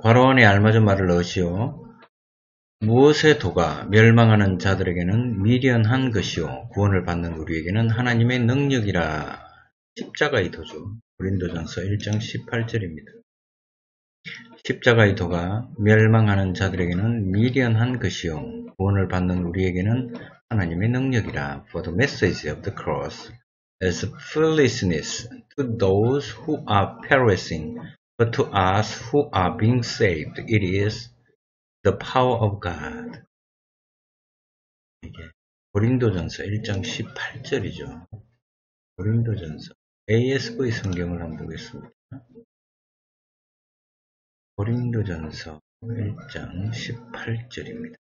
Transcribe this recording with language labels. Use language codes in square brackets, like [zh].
[ko] 과로 안에 알맞은 말을 넣으시오. 무엇의 도가 멸망하는 자들에게는 미련한 것이요 구원을 받는 우리에게는 하나님의 능력이라. 십자가의 도죠. 고린도전서 1장 18절입니다. 십자가의 도가 멸망하는 자들에게는 미련한 것이요 구원을 받는 우리에게는 하나님의 능력이라. [en] For the message of the cross is foolishness to those who are perishing. But to us who are being saved, it is the power of God. [ko] 이게 고린도전서 1장 18절이죠. 고린도전서 ASV 성경을 한번 보겠습니다. 고린도전서 1장 18절입니다.